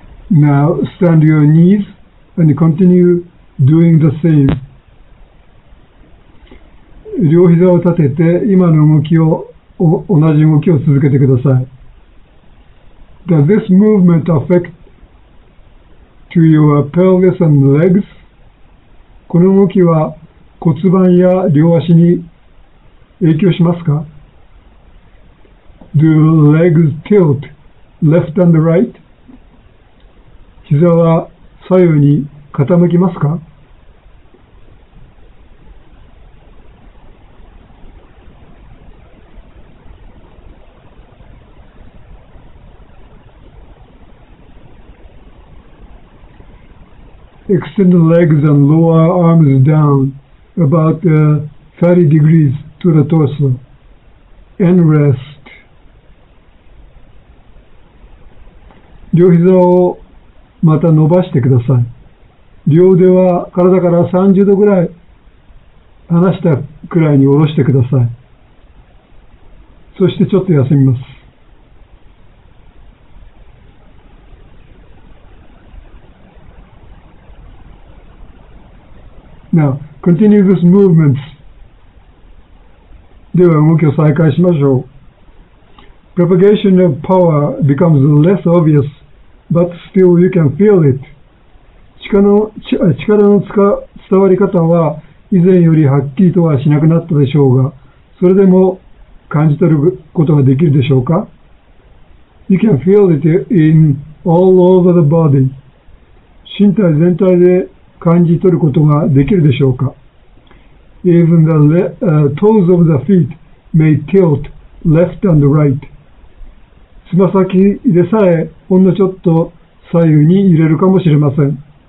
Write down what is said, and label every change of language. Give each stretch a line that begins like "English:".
English: Now stand your knees and continue doing the same.
Japanese: 両膝を立てて今の動きを同じ動きを続けてください。
English: Does this movement affect to your pelvis and legs?
Japanese: この動きは骨盤や両足に影響しますか?
English: Do legs tilt left and right?
Japanese: 膝は左右に傾きますか?
English: Extend the legs and lower arms down about 30 degrees to the torso and rest.
Japanese: 両膝をまた伸ばしてください。両腕は体から30度ぐらい離したくらいに下ろしてください。そしてちょっと休みます。
English: Now, continue these movements.
Japanese: では動きを再開しましょう。
English: Propagation of power becomes less obvious, but still you can feel it.
Japanese: 力の伝わり方は以前よりはっきりとはしなくなったでしょうが、それでも感じ取ることができるでしょうか?
English: You can feel it in all over the body.
Japanese: 身体全体で感じ取ることができるでしょうか?
English: Even the toes of the feet may tilt left and right.
Japanese: つま先でさえほんのちょっと左右に揺れるかもしれません。